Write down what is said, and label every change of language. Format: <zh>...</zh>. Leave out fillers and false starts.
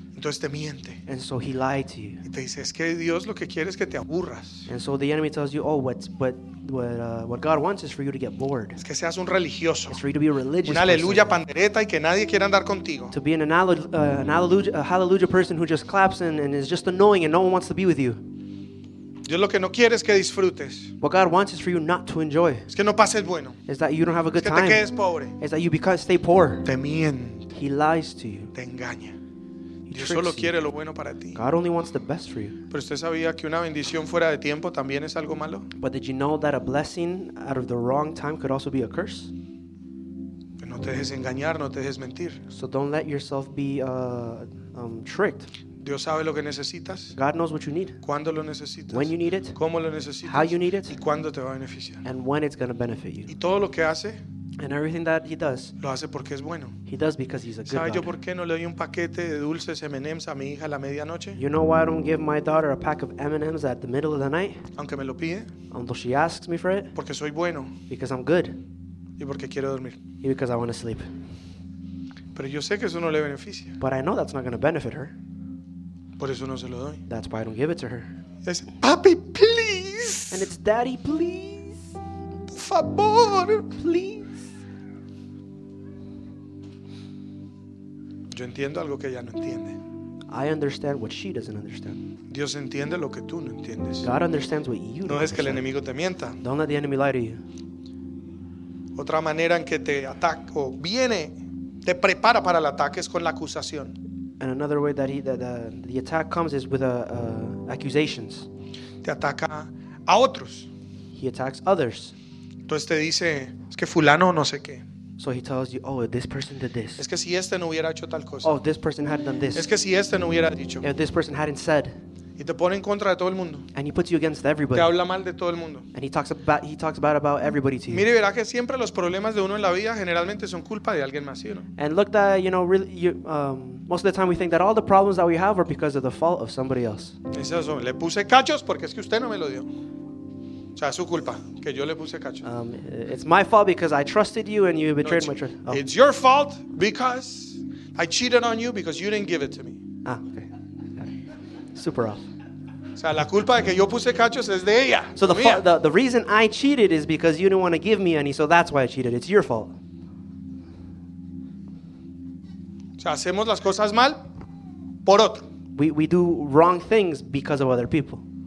<es>Entonces te miente.</es> <en>And so he lied to you.</en> <es>Y te dice, es que Dios lo que quiere es que te aburras.</es> <en>And so the enemy tells you, oh, what God wants is for you to get bored.</en> <es>Es que seas un religioso.</es> <en>It's for you to be a religious.</en> <es>Una aleluya pandereta y que nadie quiera andar contigo.</es> <en>To be an hallelujah person who just claps and is just annoying and no one wants to be with you.</en> <es>Dios lo que no quiere es que disfrutes.</es> <en>What God wants is for you not to enjoy.</en> <es>Es que no pases bueno.</es> <en>Is that you don't have a good</en> <es>es que te</es> <en>time.</en> <es>Quedes pobre.</es> <en>Is that you stay poor.</en> <es>Te miente.</es> <en>He lies to you.</en> <es>Te engaña. Dios solo quiere lo bueno para ti.</es> <en>God only wants the best for you.</en> <es>¿Pero usted sabía que una bendición fuera de tiempo también es algo malo?</es> <en>But did you know that a blessing out of the wrong time could also be a curse?</en> <es>No te dejes engañar, no te dejes mentir.</es> <en>So don't let yourself be tricked.</en> <es>Dios sabe lo que necesitas.</es> <en>God knows what you need.</en> <es>¿Cuándo lo necesitas?</es> <en>When you need it.</en> <es>¿Cómo lo necesitas?</es> <en>How you need it.</en> <es>¿Y cuándo te va a beneficiar?</es> <en>And when it's going to benefit you.</en> <es>¿Y todo lo que hace?</es> <en>And everything that he does,</en> <es>lo hace porque es bueno.</es> <en>He does because he's a good.</en> <es>¿Sabe yo por qué no le doy un paquete de dulces M&M's a mi hija a la medianoche?</es> <en>You know why I don't give my daughter a pack of M&M's at the middle of the night?</en> <es>Aunque me lo pide.</es> <en>Although she asks me for it.</en> <es>Porque soy bueno.</es> <en>Because I'm good.</en> <es>Y porque quiero dormir.</es> <en>And because I want to sleep.</en> <es>Pero yo sé que eso no le beneficia.</es> <en>But I know that's not going to benefit her.</en> <es>Por eso no se lo doy.</es> <en>That's why I don't give it to her.</en> <es>Es, papi,</es> <en>please. And it's daddy, please.</en> <es>Por favor,</es> <en>please.</en> <es>Yo entiendo algo que ella no entiende.</es> <en>I understand what she doesn't understand.</en> <es>Dios entiende lo que tú no entiendes.</es> <en>God understands what you</en> <es>no es que el enemigo te mienta.</es> <en>Don't let the enemy lie to you.</en> <es>Otra manera en que te ataca o viene, te prepara para el ataque es con la acusación.</es> <en>And another way that the attack comes is with accusations.</en> <es>Te ataca a otros.</es> <en>He attacks others.</en> <es>Entonces te dice, es que fulano no sé qué.</es> <en>So he tells you, oh, this person did this.</en> <es>Es que si este no hubiera hecho tal cosa.</es> <en>Oh, this person had done this.</en> <es>Es que si este no hubiera dicho.</es> <en>If this person hadn't said.</en> <es>Y te pone en contra de todo el mundo.</es> <en>And he puts you against everybody.</en> <es>Te habla mal de todo el mundo.</es> <en>And he talks bad about everybody to you.</en> <es>Mire, verá que siempre los problemas de uno en la vida generalmente son culpa de alguien más, ¿sí o no?</es> <en>And look that, you know, really, most of the time we think that all the problems that we have are because of the fault of somebody else.</en> <es>Es eso, le puse cachos porque es que usted no me lo dio. O sea, su culpa, que yo le puse cacho.</es> <en>It's my fault because I trusted you and you betrayed my trust. Oh. It's your fault because I cheated on you because you didn't give it to me. Ah, okay. Super off.</en> <es>O sea, la culpa de que yo puse cachos es de ella.</es> <en>So the reason I cheated is because you didn't want to give me any, so that's why I cheated. It's your fault.</en> <es>O sea, hacemos las cosas mal por otro.</es> <en>We do wrong things because of other people.</en>